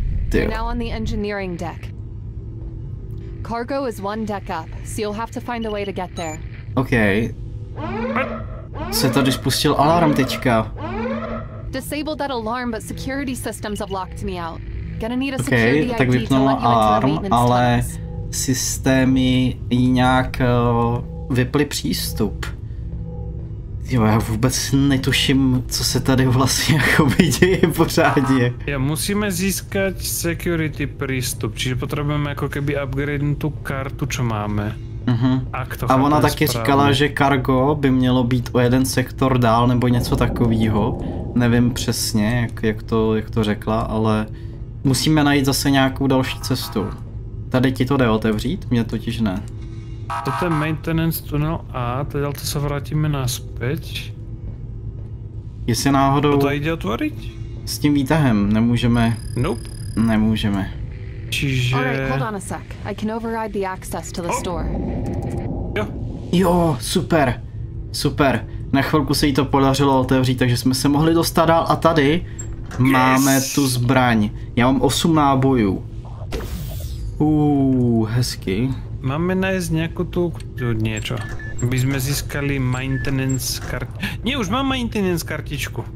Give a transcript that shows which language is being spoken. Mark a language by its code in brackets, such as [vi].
[en] We're now on the engineering deck. Cargo is one deck up, so you'll have to find a way to get there. Okay. [cs] Se tady spustil alarm teďka. [en] Disable that alarm, but security systems have locked me out. Gonna need a security ID to let you into the maintenance tunnels. [cs] Ale systémy jí nějak vyply přístup. Jo, já vůbec netuším, co se tady vlastně jakoby děje pořádně. Jo, musíme získat security přístup, čiže potřebujeme jako keby upgrade tu kartu, co máme. Uh-huh. A ona taky správně říkala, že cargo by mělo být o jeden sektor dál nebo něco takového. Nevím přesně, jak to řekla, ale musíme najít zase nějakou další cestu. Tady ti to jde otevřít? Mně totiž ne. To je maintenance tunnel A, teď ale to se vrátíme naspäť. Jestli náhodou... To jde otvoriť? S tím výtahem nemůžeme... [en] Nope. [cs] Nemůžeme. [en] Čiže... Alright, hold on a sec. I can override the access to the store. [cs] Jo. Jo, super. Na chvilku se jí to podařilo otevřít, takže jsme se mohli dostat dál a tady... Yes. Máme tu zbraň. Já mám 8 nábojů. Hezky. Máme najít nějakou tu něco. By jsme získali maintenance kartičku. Ne, už mám maintenance kartičku.